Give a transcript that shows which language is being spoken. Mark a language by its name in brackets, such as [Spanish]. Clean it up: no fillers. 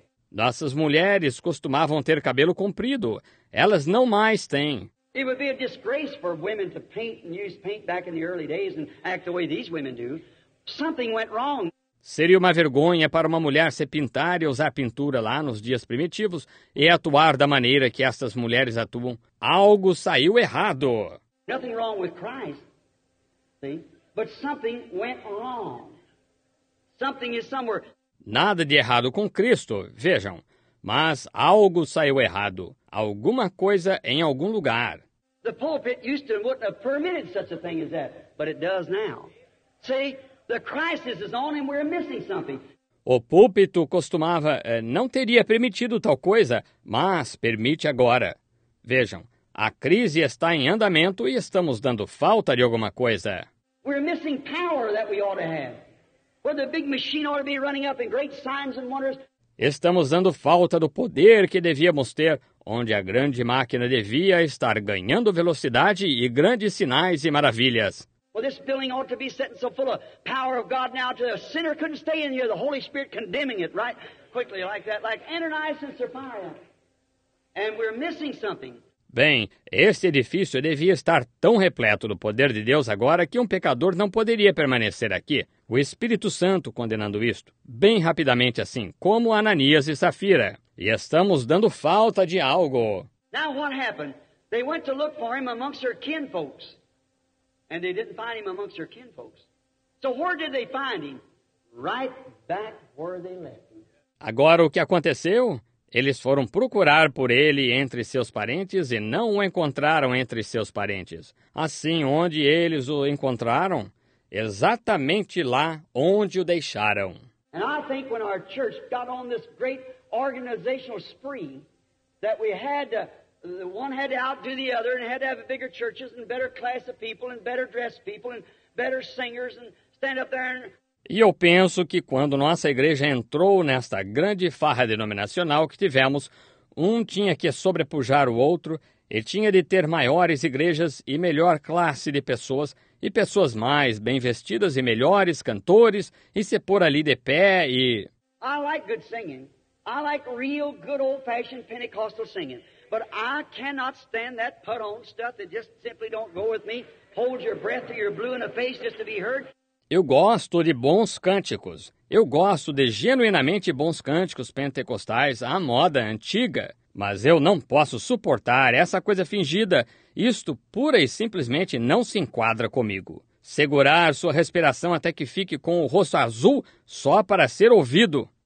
[Portuguese] Nossas mulheres costumavam ter cabelo comprido. Elas não mais têm. [English] It would be a disgrace for women to paint and use paint back in the early days and act the way these women do. Something went wrong. [Portuguese] Seria uma vergonha para uma mulher se pintar e usar pintura lá nos dias primitivos e atuar da maneira que estas mulheres atuam. Algo saiu errado. [English] Nothing wrong with Christ. See? But something went wrong. Something is somewhere. [Portuguese] Nada de errado com Cristo, vejam. Mas algo saiu errado. Alguma coisa em algum lugar. [English] The pulpit used to wouldn't have permitted such a thing as that, but it does now. See? The crisis is on and we're missing something. [Portuguese] O púlpito costumava não teria permitido tal coisa, mas permite agora. Vejam, a crise está em andamento e estamos dando falta de alguma coisa. [English] We're missing power that we ought to have. Where the big machine ought to be running up in great signs and wonders. [Portuguese] Estamos dando falta do poder que devíamos ter, onde a grande máquina devia estar ganhando velocidade e grandes sinais e maravilhas. [English] Well, this building ought to be sitting so full of power of God now to a sinner couldn't stay in here, the Holy Spirit condemning it, right? Quickly, like that, like Ananias and Sapphira. And we're missing something. [Portuguese] Bem, este edifício devia estar tão repleto do poder de Deus agora que um pecador não poderia permanecer aqui. O Espírito Santo condenando isto, bem rapidamente assim, como Ananias e Safira. E estamos dando falta de algo. [English] Now what happened? They went to look for him amongst their kinfolks. And they didn't find him amongst their kinfolks. So where did they find him? Right back where they left him. [Portuguese] Agora o que aconteceu? Eles foram procurar por ele entre seus parentes e não o encontraram entre seus parentes. Assim, onde eles o encontraram? Exatamente lá onde o deixaram. [English] And I think when our church got on this great organizational spree that we had to the one had to outdo the other and had to have bigger churches and better class of people and better dressed people and better singers and stand up there and... [Portuguese] E eu penso que quando nossa igreja entrou nesta grande farra denominacional que tivemos, um tinha que sobrepujar o outro e tinha de ter maiores igrejas e melhor classe de pessoas e pessoas mais bem vestidas e melhores cantores e se pôr ali de pé e... [English] I like good singing. I like real good old-fashioned Pentecostal singing. But I cannot stand that put-on stuff that just simply don't go with me. Hold your breath till you're blue in the face just to be heard. [Portuguese] Eu gosto de bons cânticos. Eu gosto de genuinamente bons cânticos pentecostais à moda antiga. Mas eu não posso suportar essa coisa fingida. Isto pura e simplesmente não se enquadra comigo. Segurar sua respiração até que fique com o rosto azul só para ser ouvido.